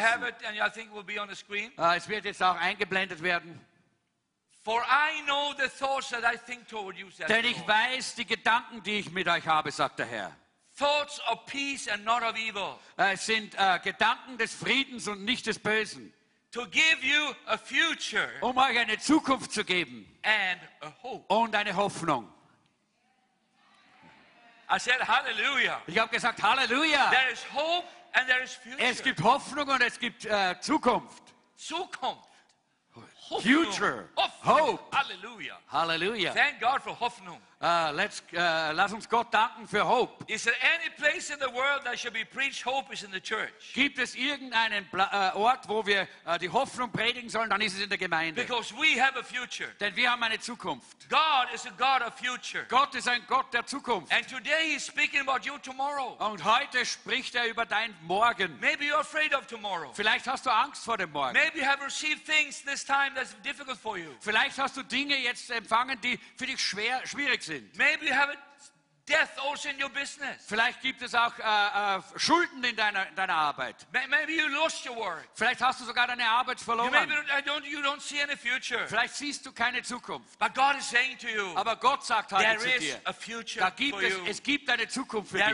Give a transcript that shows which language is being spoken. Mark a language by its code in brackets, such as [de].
[en] If you have it, and I think it will be on the screen. [de] Es wird jetzt auch eingeblendet werden. [en] For I know the thoughts that I think toward you, says [de] denn ich weiß die Gedanken, die ich mit euch habe, sagt der Herr. [en] Thoughts of peace and not of evil. [de] Sind Gedanken des Friedens und nicht des Bösen. [en] To give you a future. [de] Um euch eine Zukunft zu geben. [en] And a hope. [de] Und eine Hoffnung. [en] I said hallelujah. [de] Ich habe gesagt hallelujah. [en] There is hope and there is future. [de] Es gibt Hoffnung und es gibt Zukunft. Zukunft. [en] Future. Hope. Hallelujah. Hallelujah. Thank God for Hoffnung. [de] Lass uns Gott danken für Hope. [en] Is there any place in the world that should be preached hope is in the church? [de] Gibt es irgendeinen Ort, wo wir die Hoffnung predigen sollen, dann ist es in der Gemeinde. [en] Because we have a future. [de] Denn wir haben eine Zukunft. [en] God is a God of future. [de] Gott ist ein Gott der Zukunft. [en] And today he's speaking about you tomorrow. [de] Und heute spricht über dein Morgen. [en] Maybe you're afraid of tomorrow. [de] Vielleicht hast du Angst vor dem Morgen. [en] Maybe you have received things this time that's difficult for you. [de] Vielleicht hast du Dinge jetzt empfangen, die für dich schwierig sind. [en] Maybe you have a death also in your business. [de] Vielleicht gibt es auch Schulden in deiner Arbeit. [en] Maybe you lost your work. [de] Vielleicht hast du sogar deine Arbeit verloren. [en] You don't see any future. [de] Vielleicht siehst du keine Zukunft. [en] But God is saying to you. [de] Aber Gott sagt heute zu dir. [en] There is a future [de] da gibt [en] for [de] es, [en] you. [de] Es gibt eine Zukunft für [en] there